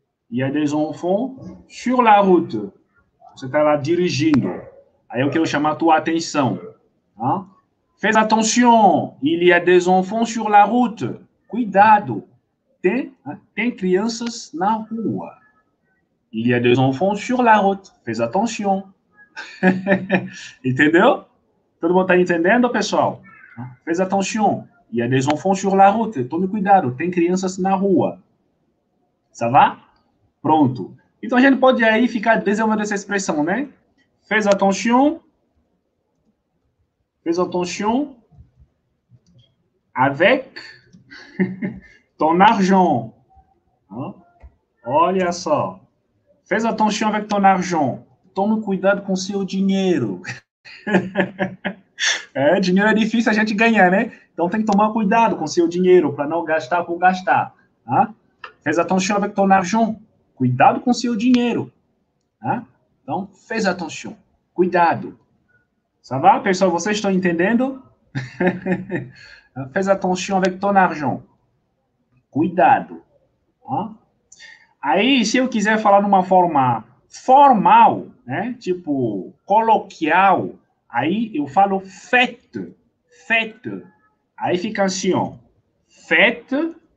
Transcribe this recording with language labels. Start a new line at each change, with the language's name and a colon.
French: Il y a des enfants sur la route.
Portuguese: Você está lá dirigindo. Aí eu quero chamar a tua atenção.
French: Hein? Fais attention. Il y a des enfants sur la route. Cuidado.
Portuguese: Tem crianças na rua.
French: Il y a des enfants sur la route. Fais attention.
Portuguese: Entendeu? Todo mundo está entendendo, pessoal?
French: Fais attention. Il y a des enfants sur la route.
Portuguese: Tome cuidado. Tem crianças na rua.
French: Ça va?
Portuguese: Pronto. Então, a gente pode aí ficar desenvolvendo essa expressão, né?
French: Fais attention. Fais attention. Avec ton argent.
Portuguese: Olha só.
French: Fais attention avec ton argent.
Portuguese: Tome cuidado com seu dinheiro. Dinheiro é difícil a gente ganhar, né? Então, tem que tomar cuidado com seu dinheiro para não gastar por gastar.
French: Fais attention avec ton argent.
Portuguese: Cuidado com seu dinheiro.
French: Hein?
Portuguese: Então,
French: fais attention.
Portuguese: Cuidado.
French: Ça va,
Portuguese: pessoal? Vocês estão entendendo?
French: Fais attention avec ton argent.
Portuguese: Cuidado. Hein? Aí, se eu quiser falar numa forma formal, né? Tipo, coloquial, aí eu falo fête. Fête. Aí fica assim, ó. Fête.